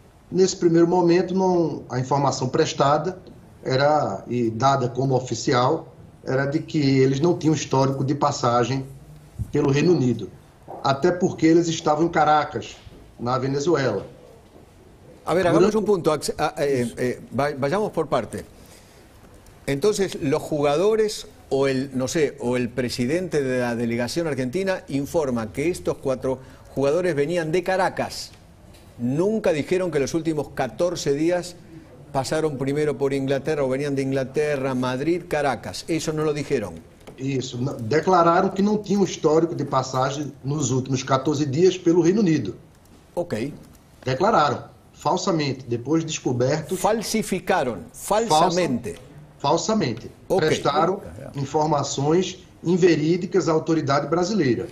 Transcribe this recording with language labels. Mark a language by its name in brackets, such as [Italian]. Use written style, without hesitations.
[Portuguese] Nesse primeiro momento, não, a informação prestada era e dada como oficial era de que eles não tinham histórico de passagem pelo Reino Unido, até porque eles estavam em Caracas, na Venezuela. [Spanish] A ver, hagamos [Portuguese] Durante [Spanish] un punto. [Portuguese] isso. [Spanish] Vayamos por parte. Entonces, los jugadores o el, no sé, o el presidente de la delegación argentina informa que estos cuatro jugadores venían de Caracas. Nunca dijeron que los últimos 14 días pasaron primero por Inglaterra o venían de Inglaterra, Madrid, Caracas. Eso no lo dijeron. [Portuguese] Isso, declararam que não tinham histórico de passagem nos últimos 14 dias pelo Reino Unido. Ok. Declararam, falsamente, depois descobertos, [Spanish] Falsificaron, falsamente. [Portuguese] falsamente, Ok. prestaram informações inverídicas à autoridade brasileira.